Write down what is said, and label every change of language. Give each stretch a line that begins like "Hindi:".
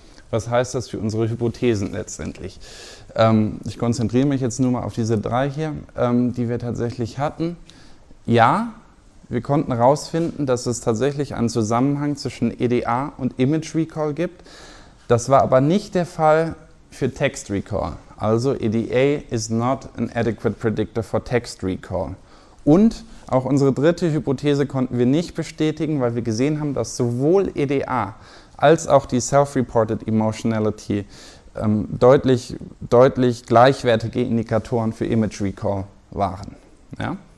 German: Was heißt das für unsere Hypothesen letztendlich? Ich konzentriere mich jetzt nur mal auf diese drei hier, die wir tatsächlich hatten. Ja, wir konnten herausfinden, dass es tatsächlich einen Zusammenhang zwischen EDA und Image Recall gibt. Das war aber nicht der Fall für Text Recall. Also
English: EDA is not an adequate predictor for Text Recall.
German: Und auch unsere dritte Hypothese konnten wir nicht bestätigen, weil wir gesehen haben, dass sowohl EDA als auch die Self-Reported Emotionality deutlich, deutlich gleichwertige Indikatoren für Image Recall waren. Ja?